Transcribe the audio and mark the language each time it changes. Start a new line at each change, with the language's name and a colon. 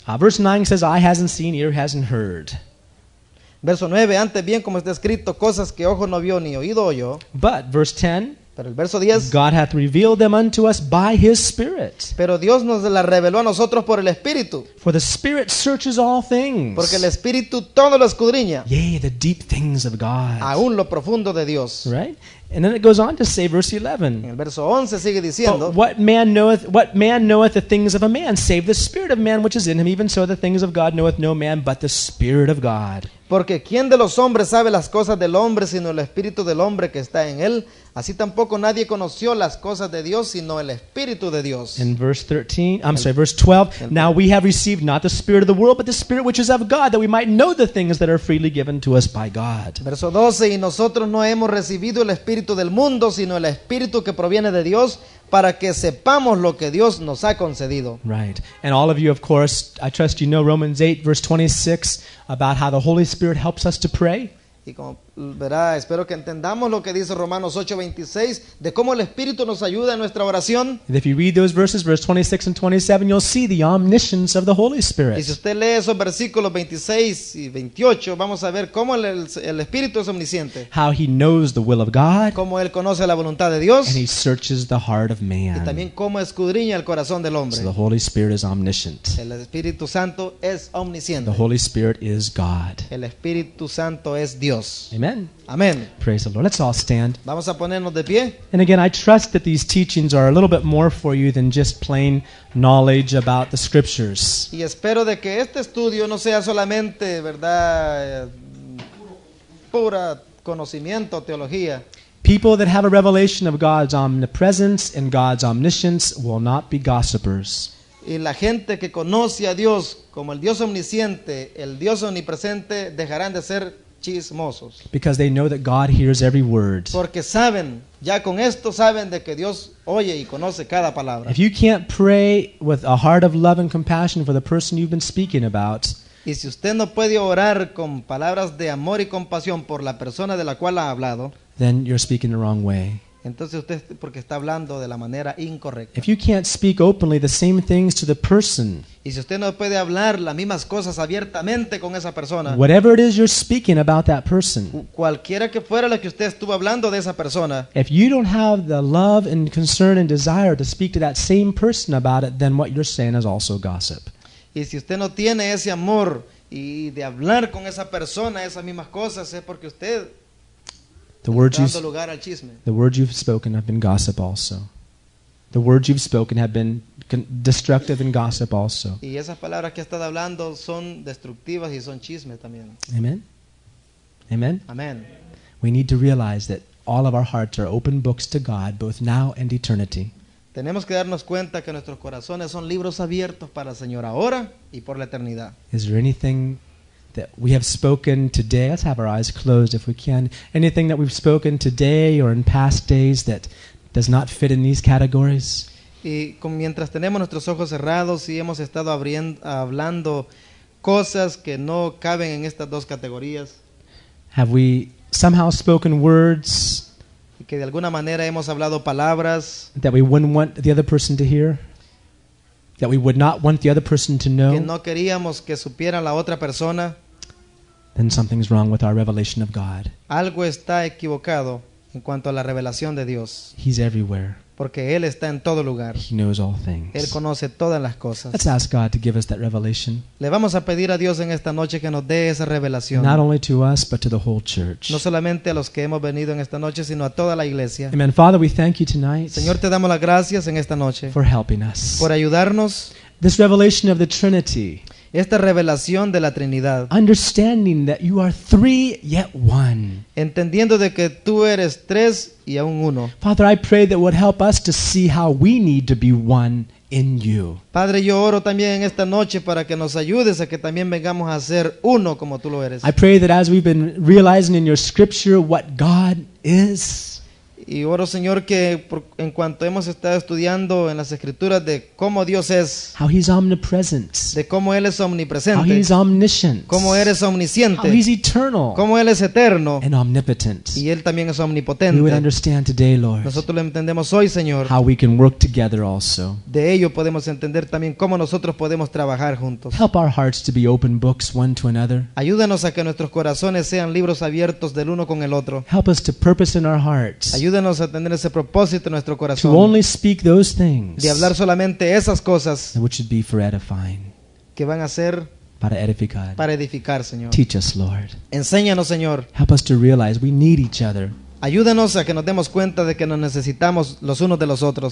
English: Verse 9 says, "Eye hasn't seen, ear hasn't heard."
Spanish: Verso 9, antes bien como está escrito, cosas que ojo no vio ni oído oyó.
English: But verse 10.
Spanish: Pero el verso 10.
English: God hath revealed them unto us by His Spirit.
Spanish: Pero Dios nos la reveló a nosotros por el Espíritu.
English: For the Spirit searches all things.
Spanish: Porque el Espíritu todo lo escudriña.
English: Yea, the deep things of God.
Spanish: Aún lo profundo de Dios.
English: Right. And then it goes on to say, verse 11.
Spanish: El verso 11 sigue diciendo,
English: but what man knoweth the things of a man, save the spirit of man which is in him? Even so, the things of God knoweth no man, but the Spirit of God.
Spanish: Porque quién de los hombres sabe las cosas del hombre, sino el espíritu del hombre que está en él? Así tampoco nadie conoció las cosas de Dios, sino el Espíritu de Dios.
English: In verse 12. Now we have received not the spirit of the world, but the spirit which is of God, that we might know the things that are freely given to us by God.
Spanish: Verso 12. Y nosotros no hemos recibido el espíritu del mundo, sino el espíritu que proviene de Dios, para que sepamos lo que Dios nos ha concedido.
English: Right. And all of you, of course, I trust you know Romans 8, verse 26, about how the Holy Spirit helps us to pray.
Spanish: Y como verá, espero que entendamos lo que dice Romanos 8:26 de cómo el Espíritu nos ayuda en nuestra oración.
English: And if you read those verses, verse 26 and 27, you'll see the omniscience of the Holy Spirit.
Spanish: Y si usted lee esos versículos 26 y 28, vamos a ver cómo el Espíritu es omnisciente.
English: How he knows the will of God.
Spanish: Cómo él conoce la voluntad de Dios.
English: And he searches the heart of man.
Spanish: Y también cómo escudriña el corazón del hombre.
English: So the Holy Spirit is omniscient.
Spanish: El Espíritu Santo es omnisciente.
English: The Holy Spirit is God.
Spanish: El Espíritu Santo es Dios.
English: Amen.
Spanish: Amen.
English: Praise the Lord. Let's all stand.
Spanish: Vamos a ponernos de pie.
English: And again, I trust that these teachings are a little bit more for you than just plain knowledge about the scriptures.
Spanish: Y espero de que este estudio no sea solamente, ¿verdad?, pura conocimiento, teología.
English: People that have a revelation of God's omnipresence and God's omniscience will not be gossipers.
Spanish: Y la gente que conoce a Dios como el Dios omnisciente, el Dios omnipresente, dejarán de ser chismosos.
English: Because they know that God hears every word.
Spanish: Porque saben, ya con esto saben de que Dios oye y conoce cada palabra.
English: If you can't pray with a heart of love and compassion for the person you've been speaking about,
Spanish: y si usted no puede orar con palabras de amor y compasión por la persona de la cual ha hablado,
English: then you're speaking the wrong way.
Spanish: Entonces usted porque está hablando de la manera incorrecta.
English: If you can't speak openly the same things to the person,
Spanish: y si usted no puede hablar las mismas cosas abiertamente con esa persona,
English: whatever it is you're speaking about that person,
Spanish: cualquiera que fuera lo que usted estuvo hablando de esa persona,
English: if you don't have the love and concern and desire to speak to that same person about it, then what you're saying is also gossip.
Spanish: Y si usted no tiene ese amor y de hablar con esa persona esas mismas cosas, es porque usted
English: The words you've spoken have been gossip also. The words you've spoken have been destructive and gossip also.
Spanish: Y esas palabras que estás hablando son destructivas y son chisme también. Amen. Amen. Amen.
English: We need to realize that all of our hearts are open books to God, both now and eternity.
Spanish: Tenemos que darnos cuenta que nuestros corazones son libros abiertos para el Señor ahora y por la eternidad.
English: Is there anything that we have spoken today, let's have our eyes closed if we can, anything that we've spoken today or in past days that does not fit in these categories?
Spanish: Y mientras tenemos nuestros ojos cerrados y hemos estado hablando cosas que no caben en estas dos categorías,
English: have we somehow spoken words
Spanish: que de alguna manera hemos hablado palabras
English: that we wouldn't want the other person to hear? That we would not want the other person to know,
Spanish: que no queríamos que supiera la otra persona,
English: then something's wrong with our revelation of God.
Spanish: Algo está equivocado en cuanto a la revelación de Dios.
English: He's everywhere.
Spanish: Porque Él está en todo lugar.
English: He knows all things.
Spanish: Él conoce todas las cosas.
English: Let's ask God to give us that revelation.
Spanish: Le vamos a pedir a Dios en esta noche que nos dé esa revelación.
English: Not only to us, but to the whole church.
Spanish: No solamente a los que hemos venido en esta noche, sino a toda la iglesia.
English: Amen. Father, we thank you tonight.
Spanish: Señor, te damos las gracias en esta noche.
English: For helping us.
Spanish: Por ayudarnos.
English: This revelation of the Trinity.
Spanish: Esta revelación de la Trinidad.
English: Understanding that you are three yet one.
Spanish: Entendiendo de que tú eres tres y aún uno.
English: Father, I pray that would help us to see how we need to be one in you.
Spanish: Padre, yo oro también en esta noche para que nos ayudes a que también vengamos a ser uno como tú lo eres.
English: I pray that as we've been realizing in your scripture what God is.
Spanish: Y oro, Señor, que en cuanto hemos estado estudiando en las Escrituras de cómo Dios es,
English: how he's omnipresent,
Spanish: de cómo Él es omnipresente,
English: how he's omniscient,
Spanish: cómo Él es omnisciente,
English: how he's eternal,
Spanish: cómo Él es eterno,
English: and omnipotent,
Spanish: y Él también es omnipotente.
English: We would understand today, Lord,
Spanish: nosotros lo entendemos hoy, Señor,
English: how we can work together also.
Spanish: De ello podemos entender también cómo nosotros podemos trabajar juntos.
English: Help our hearts to be open books one to another.
Spanish: Ayúdanos a que nuestros corazones sean libros abiertos del uno con el otro.
English: Help us to purpose in our hearts.
Spanish: Ayúdanos a tener ese propósito en nuestro corazón.
English: To only speak those things.
Spanish: De hablar solamente esas cosas.
English: Which should be for edifying.
Spanish: Que van a ser para edificar. Para edificar, Señor.
English: Teach us, Lord.
Spanish: Enséñanos, Señor.
English: Help us to realize we need each other.
Spanish: Ayúdanos a que nos demos cuenta de que nos necesitamos los unos de los otros.